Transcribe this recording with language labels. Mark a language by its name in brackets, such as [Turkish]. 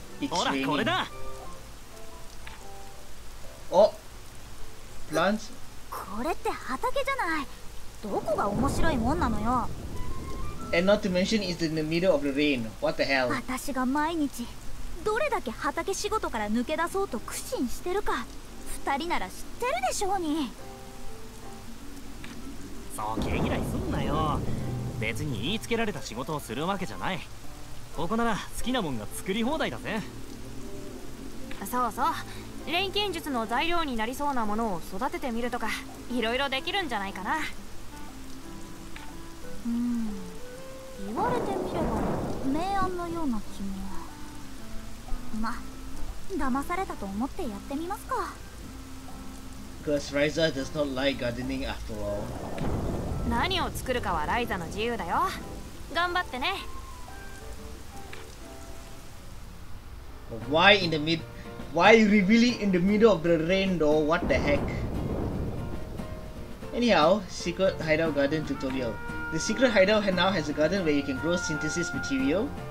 [Japanese] ほら、これだ。お、プランツ。これって畑じゃない。どこが面白いもんなのよ。 [English] And not to mention it's in the middle of the rain. What the hell? [Japanese] 私が毎日どれだけ畑仕事から抜け出そうと苦心してるか、二人なら知ってるでしょうに。そう毛嫌いすんなよ。別に言いつけられた仕事をするわけじゃない。ここなら好きなもんが作り放題だぜ。そうそう、錬金術の材料になりそうなものを育ててみるとか、いろいろできるんじゃないかな。言われてみれば明暗のような気も。ま、騙されたと思ってやってみますか。 [English] Because Ryza does not like gardening after all. [Japanese] 何を作るかはライザの自由だよ。頑張ってね。 [English] Why revealing in the middle of the rain though? What the heck? Anyhow, secret hideout garden tutorial. The secret hideout now has a garden where you can grow synthesis material.